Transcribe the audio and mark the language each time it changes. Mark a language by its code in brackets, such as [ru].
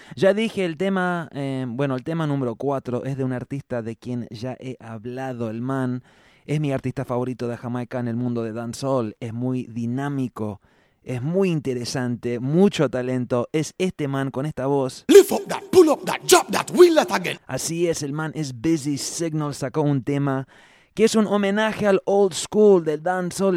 [es] Ya dije el tema, bueno, el tema número 4 es de un artista de quien ya he hablado, el man. Es mi artista favorito de Jamaica en el mundo de dancehall, es muy dinámico, es muy interesante, mucho talento, es este man con esta voz. [en] Lift up that, pull up that, drop that, wheel that again. [es] Así es, el man es Busy Signal, sacó un tema que es un homenaje al old school del dancehall.